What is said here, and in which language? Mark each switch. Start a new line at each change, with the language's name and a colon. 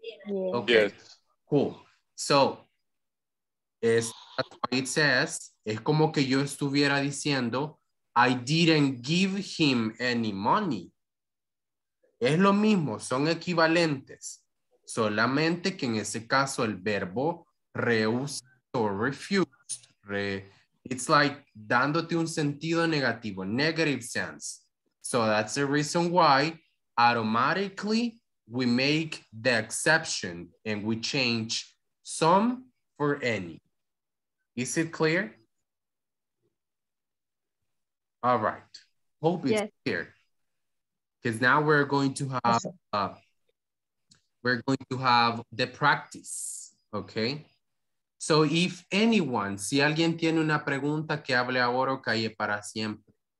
English: Okay. Yes. Cool. So, that's why it says,
Spanish: es como que yo estuviera diciendo,
English: I didn't give him any money.
Spanish: Es lo mismo, son equivalentes. Solamente que en ese caso el verbo rehusar o refused.
English: It's like
Spanish: dándote un sentido negativo,
English: negative sense. So that's the reason why automatically we make the exception and we change some for any. Is it clear? All right. Hope it's clear. Because now we're going to have the practice. Okay. So if anyone,
Spanish: si alguien tiene una pregunta, que hable ahora o calle para siempre.